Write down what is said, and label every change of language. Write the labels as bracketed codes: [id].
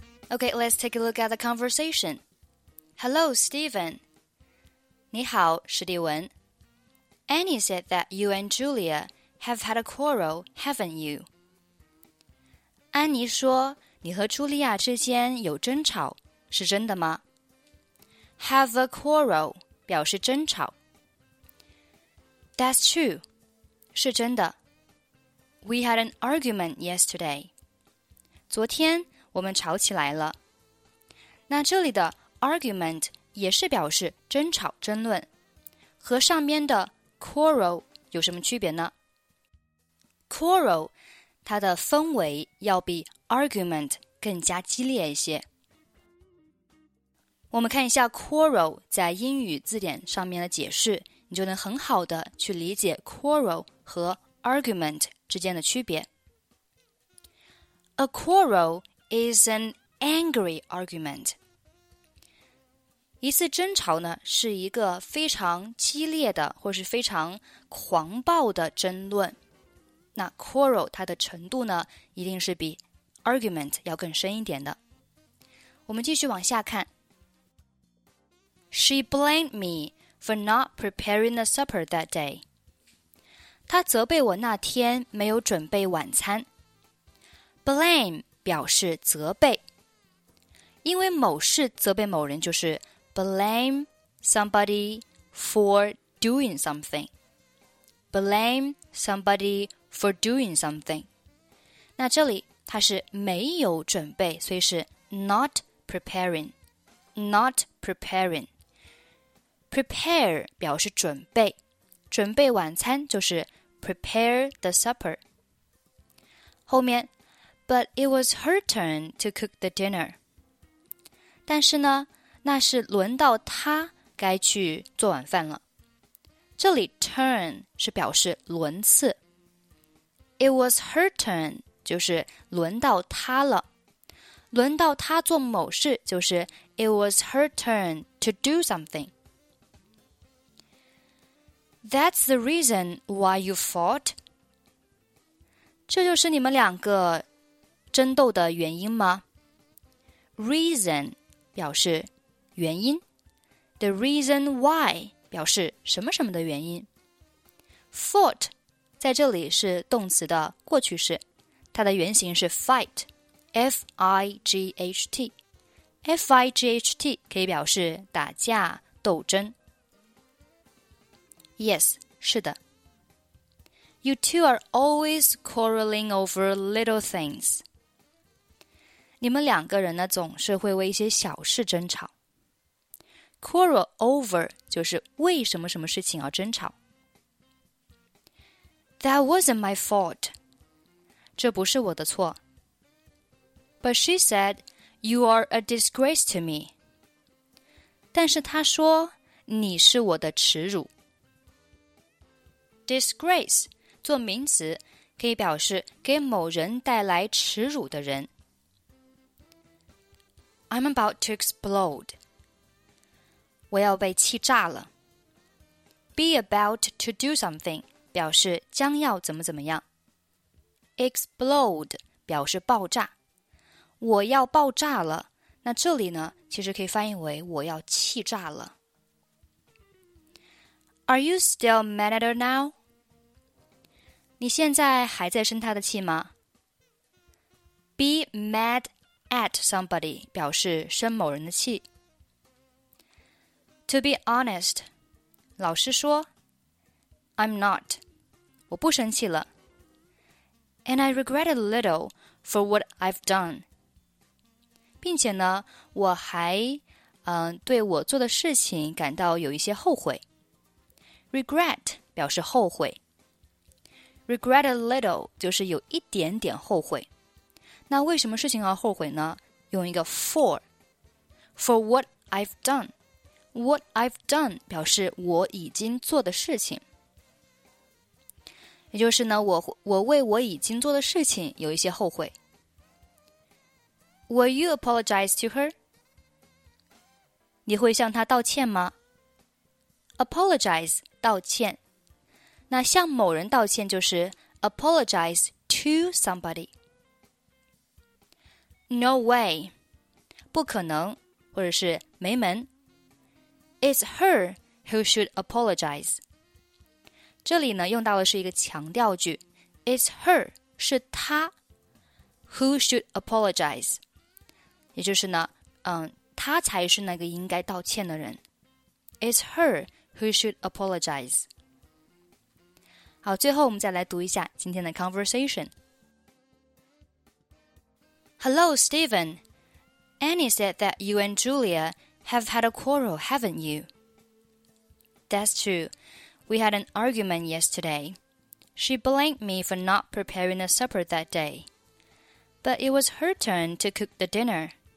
[en] Okay, let's take a look at the conversation. Hello, Stephen. [zh] 你好，史蒂文。 [en] Annie said that you and Julia... have had a quarrel, haven't you? [zh] 安妮说你和茱莉亚之间有争吵是真的吗 [en] Have a quarrel [zh] 表示争吵 [en] That's true [zh] 是真的 [en] We had an argument yesterday [zh] 昨天我们吵起来了那这里的 argument 也是表示争吵争论和上面的 quarrel 有什么区别呢 Quarrel, 它的氛围要比 argument 更加激烈一些。我们看一下 quarrel 在英语字典上面的解释，你就能很好的去理解 quarrel 和 argument 之间的区别。 [en] A quarrel is an angry argument. [zh] 一次争吵呢，是一个非常激烈的或是非常狂暴的争论。那 quarrel 它的程度呢一定是比 argument 要更深一点的。我们继续往下看。 [en] She blamed me for not preparing the supper that day. [zh] 她责备我那天没有准备晚餐。 Blame 表示责备。因为某事责备某人就是 [en] blame somebody for doing something. Blame somebody for doing something. [zh] 那这里它是没有准备所以是 [en] not preparing. Not preparing. [zh] Prepare 表示准备。准备晚餐就是 [en] prepare the supper. [zh] 后面 [en] but it was her turn to cook the dinner. [zh] 但是呢那是轮到她该去做晚饭了。这里 turn 是表示轮次。 [en] It was her turn, [zh] 就是轮到她了。轮到她做某事就是 [en] It was her turn to do something. That's the reason why you fought. [zh] 这就是你们两个争斗的原因吗? [en] Reason [zh] 表示原因。 [en] The reason why [zh] 表示什么什么的原因。 [en] Fought. [zh] 在这里是动词的过去式，它的原型是 fight, F-I-G-H-T. F-I-G-H-T 可以表示打架、斗争。 [en] Yes, [zh] 是的。 [en] You two are always quarreling over little things. [zh] 你们两个人呢，总是会为一些小事争吵。 [en] Quarrel over [zh] 就是为什么什么事情要争吵。 [en] That wasn't my fault. [zh] 这不是我的错。 [en] But she said, you are a disgrace to me. [zh] 但是她说你是我的耻辱。 Disgrace, 做名词可以表示给某人带来耻辱的人。 [en] I'm about to explode. [zh] 我要被气炸了。 [en] Be about to do something. [zh] 表示将要怎么怎么样。 Explode 表示爆炸。我要爆炸了。那这里呢，其实可以翻译为我要气炸了。 [en] Are you still mad at her now? [zh] 你现在还在生她的气吗？ [en] Be mad at somebody [zh] 表示生某人的气。 [en] To be honest, [zh] 老实说 [en] I'm not, [zh] 我不生气了。 [en] And I regret a little for what I've done. [zh] 并且呢，我还对我做的事情感到有一些后悔。 [en] Regret [zh] 表示后悔。 [en] Regret a little [zh] 就是有一点点后悔。那为什么事情要后悔呢？用一个 for。 [en] For what I've done。 What I've done [zh] 表示我已经做的事情。也就是呢，我为我已经做的事情有一些后悔。 [en] Will you apologize to her? [zh] 你会向她道歉吗？ Apologize, 道歉。那向某人道歉就是 [en] apologize to somebody. No way. [zh] 不可能，或者是没门。 [en] It's her who should apologize. [zh] 这里呢，用到的是一个强调句。 [en] It's her, [zh] 是她。 [en] Who should apologize? [zh] 也就是呢，他才是那个应该道歉的人。 [en] It's her who should apologize. [zh] 好，最后我们再来读一下今天的 conversation. [en] Hello, Stephen. Annie said that you and Julia have had a quarrel, haven't you? That's true. We had an argument yesterday. She blamed me for not preparing the supper that day. But it was her turn to cook the dinner.